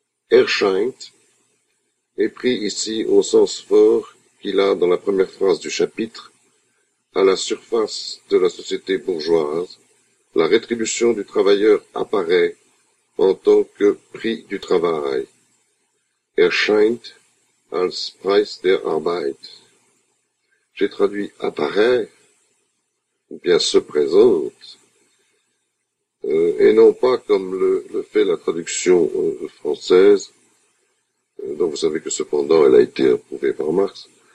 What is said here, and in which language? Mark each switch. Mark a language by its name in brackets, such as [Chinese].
[French] Erscheint est pris ici au sens fort qu'il a dans la première phrase du chapitre, à la surface de la société bourgeoise, la rétribution du travailleur apparaît en tant que prix du travail. [German] Erscheint als Preis der Arbeit. [French] J'ai traduit apparaît, ou bien se présente, et non pas comme le fait la traduction française, dont vous savez que cependant elle a été approuvée par Marx,